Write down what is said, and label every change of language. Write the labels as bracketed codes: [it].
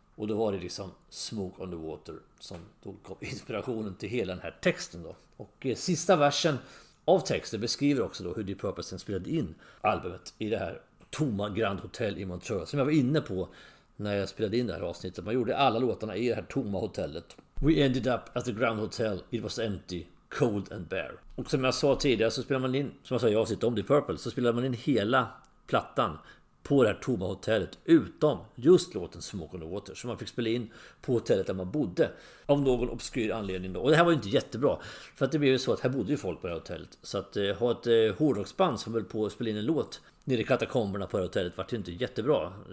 [sv] Och då var det liksom Smoke on the Water som tog inspirationen till hela den här texten då. Och sista versen av texten beskriver också då hur Deep Purple sen spelade in albumet i det här tomma Grand Hotel i Montreux. Som jag var inne på när jag spelade in det här avsnittet. Man gjorde alla låtarna i det här tomma hotellet. [en] We ended up at the Grand Hotel, it was empty, cold and bare. [sv] Och som jag sa tidigare så spelar man in, som jag sa, jag sitter om Deep Purple, så spelar man in hela plattan på det här tomma hotellet utom just låten Smoke on the Water, som man fick spela in på hotellet där man bodde av någon obskyr anledning då. Och det här var ju inte jättebra, för att det blev ju så att här bodde ju folk på det hotellet, så att ha ett hårdrocksband som höll på att spela in en låt nere i katakomberna på det hotellet var det inte jättebra.